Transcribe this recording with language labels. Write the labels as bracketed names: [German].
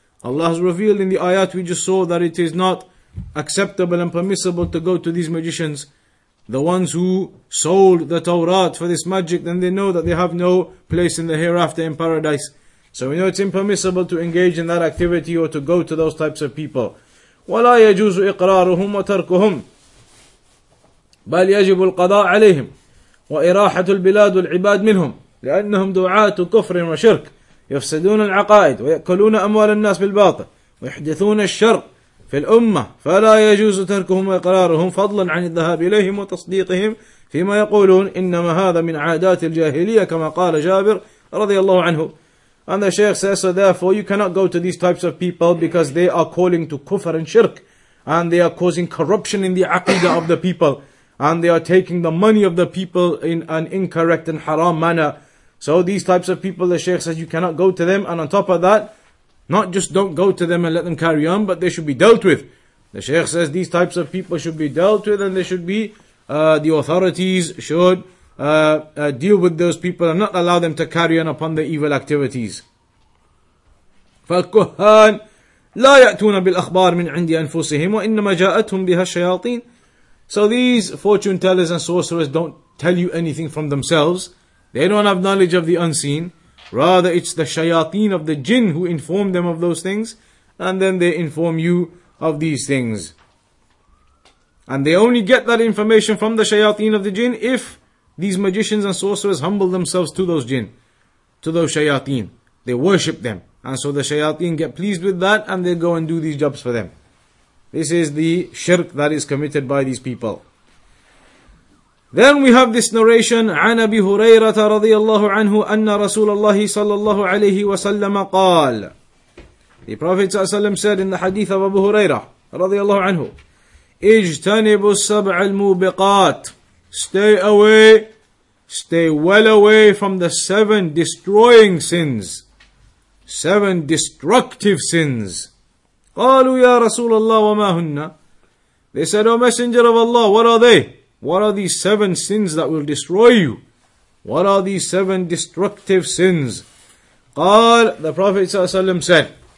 [English] Allah has revealed in the ayat we just saw that it is not acceptable and permissible to go to these magicians, the ones who sold the Torah for this magic, then they know that they have no place in the hereafter in paradise. So we know it's impermissible to engage in that activity or to go to those types of people. [Arabic] وَلَا يَجُوزُ إِقْرَارُهُمْ وَتَرْكُهُمْ بَلْ يَجِبُ الْقَضَاءَ عَلَيْهِمْ وَإِرَاحَةُ الْبِلَادُ وَالْعِبَادُ مِنْهُمْ لِأَنَّهُمْ دُعَاتُ كُفْرٍ وَشِرْكٍ يُفْسِدُونَ الْعَقَائِدَ وَيَأْكُلُونَ أَمْوَالَ النَّاسِ بِالْبَاطِلِ وَيَحْدِثُونَ الشَّرَّ في الأمة فلا يجوز تركهم وإقرارهم فضلا عن الذهاب إليهم وتصديقهم فيما يقولون إنما هذا من عادات الجاهلية كما قال جابر رضي الله عنه. [English] And the Shaykh says, so therefore you cannot go to these types of people because they are calling to kufr and shirk, and they are causing corruption in the aqidah of the people, and they are taking the money of the people in an incorrect and haram manner. So these types of people, the Shaykh says, you cannot go to them. And on top of that, not just don't go to them and let them carry on, but they should be dealt with. The Shaykh says these types of people should be dealt with, and they should be, the authorities should deal with those people and not allow them to carry on upon the evil activities. [Arabic] فالكهان لا يأتون بالأخبار من عند أنفسهم وإنما جاءتهم بها الشياطين. [English] So these fortune tellers and sorcerers don't tell you anything from themselves. They don't have knowledge of the unseen. Rather, it's the shayateen of the jinn who inform them of those things, and then they inform you of these things. And they only get that information from the shayateen of the jinn if these magicians and sorcerers humble themselves to those jinn, to those shayateen. They worship them. And so the shayateen get pleased with that, and they go and do these jobs for them. This is the shirk that is committed by these people. Then we have this narration, [Arabic] عن أبي هريرة رضي الله عنه أن رسول الله صلى الله عليه وسلم قال. [English] The Prophet صلى الله عليه وسلم said in the hadith of Abu Huraira رضي الله عنه, [Arabic] اجتنبوا السبع الموبقات. [English] Stay away, stay well away from the seven destroying sins. Seven destructive sins. [Arabic] قالوا يا رسول الله وما هن. [English] They said, O Messenger of Allah, what are they? What are these seven sins that will destroy you? What are these seven destructive sins? قال, the Prophet ﷺ said.